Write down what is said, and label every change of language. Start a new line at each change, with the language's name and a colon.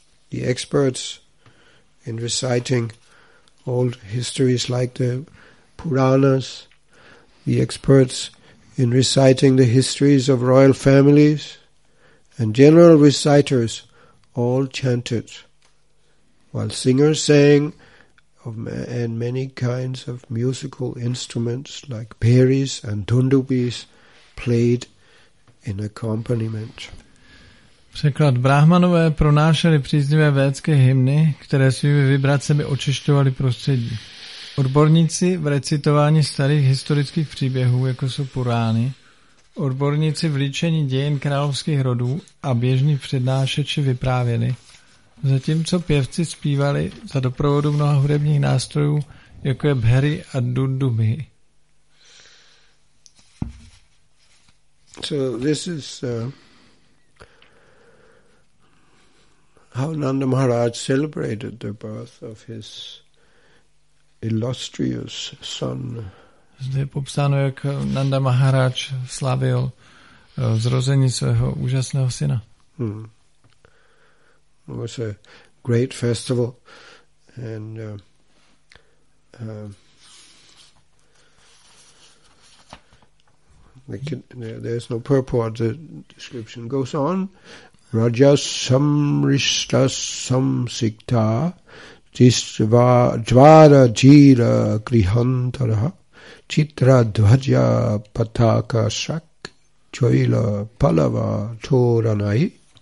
English: The experts in reciting old histories like the Puranas, the experts in reciting the histories of royal families, and general reciters all chanted, while singers sang and many kinds of musical instruments like peris and dundubis played in accompaniment.
Czech: Překlad. Brahmanové pronášeli příznivé védské hymny, které svými vibracemi očišťovaly prostředí. Odborníci v recitování starých historických příběhů, jako jsou Purány, odborníci v líčení dějin královských rodů a běžní přednášeči vyprávěli, zatímco pěvci zpívali za doprovodu mnoha hudebních nástrojů, jako je bhari a dundubi.
English: So this is how Nanda Maharaj celebrated the birth of his illustrious son.
Czech: Zde je popsáno, jak Nanda Maharaj slavil zrození svého úžasného syna.
English: It was a great festival, and there's no purport. The description goes on.
Sanskrit: Rajas samristas samsikta Jvara jira grihantara chitra dhvaja pataka shak choila palava toranai.